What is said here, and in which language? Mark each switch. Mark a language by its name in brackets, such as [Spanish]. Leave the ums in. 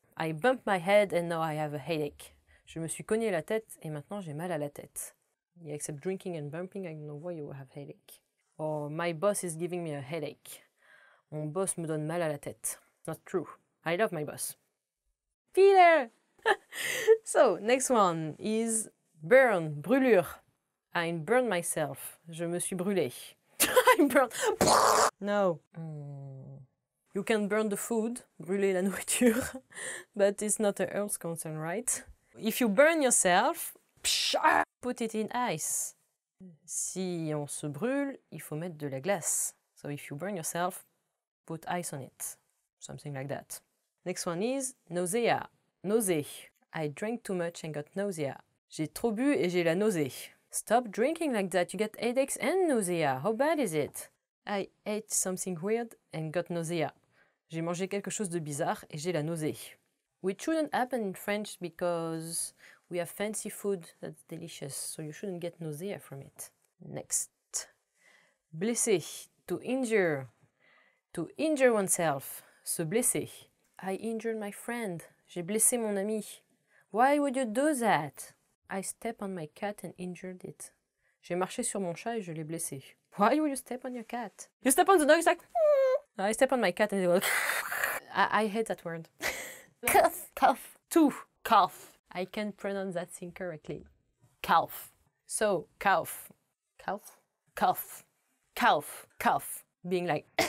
[English] I bumped my head and now I have a headache. [French] Je me suis cogné à la tête et maintenant j'ai mal à la tête. [English] except drinking and bumping, I don't know why you have a headache. Or my boss is giving me a headache. [French] Mon boss me donne mal à la tête. [English] Not true. I love my boss. Peter! so, next one is burn, brûlure. I burned myself. [French] Je me suis brûlé. [English] I burned. No. Mm. You can burn the food, [French] brûler la nourriture, [English] but it's not a health concern, right? If you burn yourself, put it in ice. [French] Si on se brûle, il faut mettre de la glace. [English] So if you burn yourself, put ice on it. Something like that. Next one is nausea. Nausea. I drank too much and got nausea. [French] J'ai trop bu et j'ai la nausée. [English] Stop drinking like that. You get headaches and nausea. How bad is it? I ate something weird and got nausea. [French] J'ai mangé quelque chose de bizarre et j'ai la nausée. [English] Which shouldn't happen in French because we have fancy food that's delicious, so you shouldn't get nausea from it. Next. Blessé. To injure. To injure oneself. Se blesser. I injured my friend. [French] J'ai blessé mon ami. [English] Why would you do that? I step on my cat and injured it. [French] J'ai marché sur mon chat et je l'ai blessé. [English] Why would you step on your cat? You step on the dog, it's like. I step on my cat and it goes. Will... I, hate that word. cough, cough. cough. Two, cough. I can pronounce that thing correctly. Cough. So, cough. Cough? Cough. Cough. Cough. cough. cough. cough. Being like.